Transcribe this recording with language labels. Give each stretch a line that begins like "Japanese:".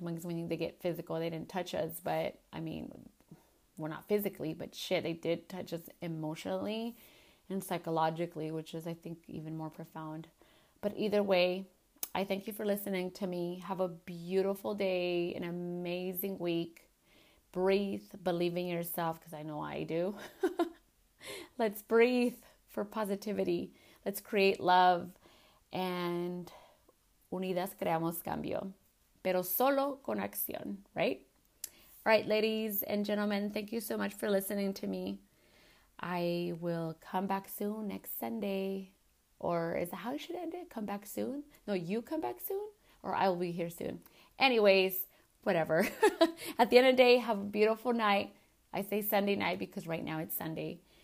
English: Mugs mean they get physical. They didn't touch us, but I mean, well, not physically, but shit, they did touch us emotionally and psychologically, which is, I think, even more profound. But either way, I thank you for listening to me. Have a beautiful day, an amazing week. Breathe, believe in yourself, because I know I do. Let's breathe for positivity. Let's create love.
Spanish: And unidas creamos cambio, pero solo con acción, right?
English: All right, ladies and gentlemen, thank you so much for listening to me. I will come back soon next Sunday. Or is that how you should end it? Come back soon? No, you come back soon? Or I will be here soon. Anyways, whatever. At the end of the day, have a beautiful night. I say Sunday night because right now it's Sunday.